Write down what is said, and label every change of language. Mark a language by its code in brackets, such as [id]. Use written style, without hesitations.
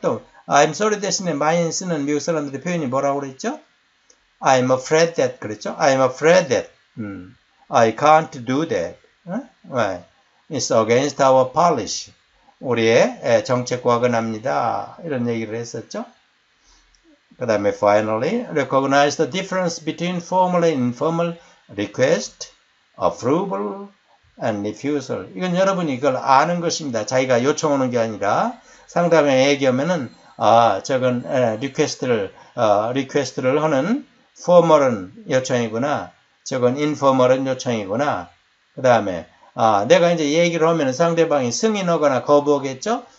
[ko] 또 [en] I'm sorry [ko] 대신에 많이 쓰는 미국 사람들의 표현이 뭐라고 그랬죠? [en] I'm afraid that [ko] 그랬죠. [en] I'm afraid that. I can't do that. Why? It's against our policy. [ko] 우리의 정책과 근합니다. 이런 얘기를 했었죠. 그 다음에 [en] finally, recognize the difference between formal and informal request, approval, and refusal. [ko] 이건 여러분이 이걸 아는 것입니다. 자기가 요청하는 게 아니라 상담에 얘기하면은 아, 저건 request를 하는 formal은 요청이구나. 저건 informal은 요청이구나. 그 다음에 내가 이제 얘기를 하면 상대방이 승인하거나 거부하겠죠.